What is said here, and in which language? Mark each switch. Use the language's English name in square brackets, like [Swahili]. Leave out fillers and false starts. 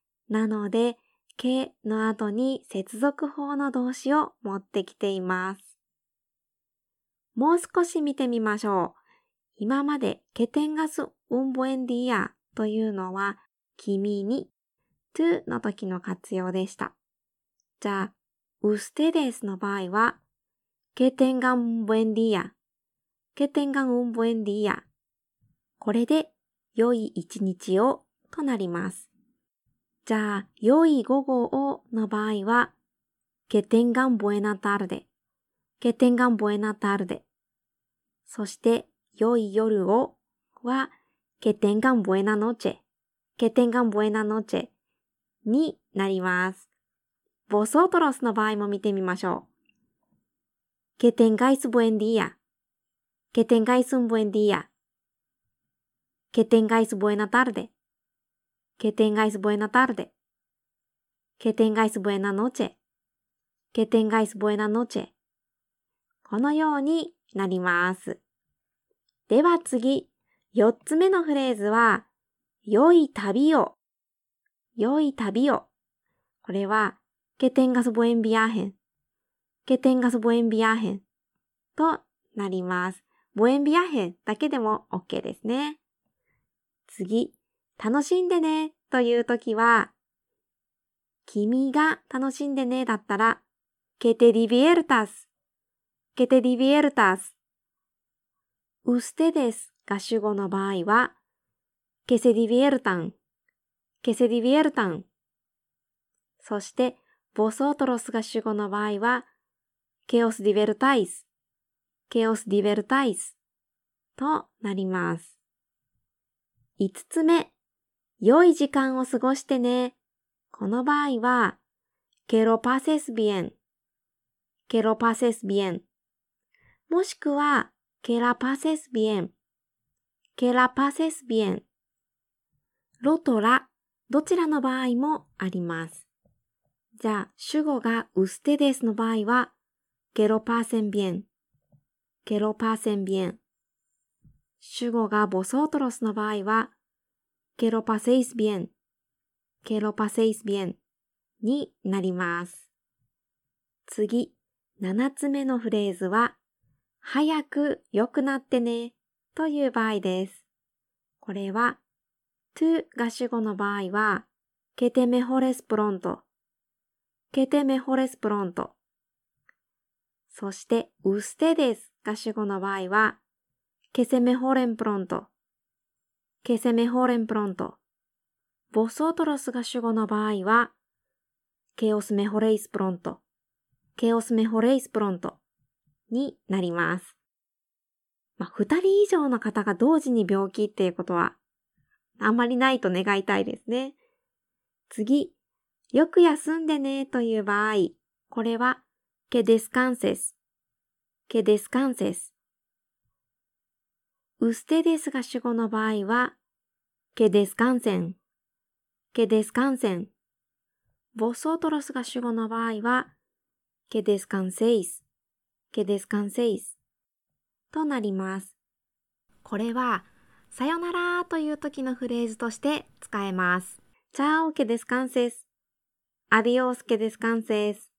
[Japanese] なので、けの後に接続法の動詞を持ってきています。もう少し見てみましょう。今まで、 [Spanish] que tengas un buen día [Japanese] というのは、君に、to の時の活用でした。じゃあ、ustedes の場合は、 [Spanish] que tengan un buen día。 que tengan un buen día。 [Japanese] これで、良い一日をとなります。じゃあ、良い午後をの場合は、 [Spanish] que tengan buena tarde。 que tengan buena tarde。 [Japanese] そして、良い夜をは、 [Spanish] que tengan buena noche。 que tengan buena noche。 [Japanese] になります。 vosotros の場合も見てみましょう。 [Spanish] que tengáis buen día。 que tengáis un buen día。 que tengáis buena tarde。 que tengáis buena tarde。 que tengáis buena noche。 que tengáis buena noche。 [Japanese] このようになります。では次、四つ目のフレーズは、良い旅を。良い旅を。これは、 [Spanish] que tengas buen viaje。 que tengas buen viaje。 [Japanese] となります。 buen viaje だけでも OK ですね。次、楽しんでねというときは、君が楽しんでねだったら、 [Spanish] que te diviertas。 [Japanese] que te diviertas。ustedes が主語の場合は、 [Spanish] que se diviertan, que se diviertan。 [Japanese] そして、vosotros が主語の場合は、 [Spanish] que os divertáis, que os divertáis [Japanese] となります。五つ目、良い時間を過ごしてね。この場合は、 [Spanish] que lo pases bien, que lo pases bien。 [Japanese] もしくは、 [Spanish] que la pases bien, que la pases bien。 [Japanese] ロとラ、どちらの場合もあります。じゃあ、主語がustedesの場合は、 [Spanish] que lo pasen bien, que lo pasen bien。 [Japanese] 主語がvosotrosの場合は、 [Spanish] que lo paséis bien, que lo paséis bien [Japanese] になります。次、七つ目のフレーズは、早く良くなってねという場合です。これは、to が主語の場合は、 [Spanish] que te mejores pronto, que te mejores pronto。 [Japanese] そして、ustedes が主語の場合は、 [Spanish] que se mejoren pronto, que se mejoren pronto。 [Japanese] vosotros が主語の場合は、 [Spanish] que os mejoréis pronto, que os mejoréis pronto。 [Japanese] になります。まあ、二人以上の方が同時に病気っていうことは、あんまりないと願いたいですね。次、よく休んでねという場合、これは、 [Spanish] que descanses, que descanses。 [Japanese] ustedes が主語の場合は、 [Spanish] que descansen, que descansen。 [Japanese] vosotros が主語の場合は、 [Spanish] que descanseis。 que descanseis [Japanese] となります。これは、さよならという時のフレーズとして使えます。 [Spanish] Chao, que descanses. Adios, que descanses.